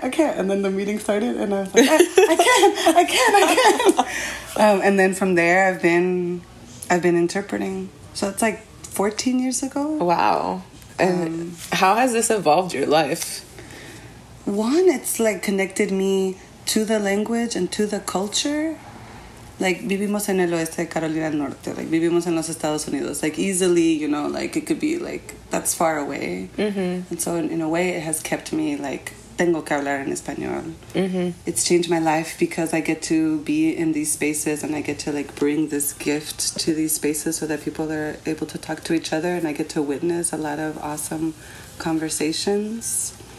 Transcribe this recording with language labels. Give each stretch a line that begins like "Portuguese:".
English: And then the meeting started and I was like, I can't. And then from there, I've been interpreting. So it's like 14 years ago. Wow. And how has this evolved your life? One, it's like connected me to the language and to the culture.
Spanish: Like, vivimos en el oeste de Carolina del Norte. Like, vivimos en los Estados Unidos.
English: Like, easily, you know, like, it could be, like, that's far away. Mm-hmm. And so, in a way, it has kept me, like,
Spanish: tengo que hablar en español. Mm-hmm.
English: It's changed my life because I get to be in these spaces and I get to, like, bring this gift to these spaces so that people are able to talk to each other and I get to witness a lot of awesome conversations.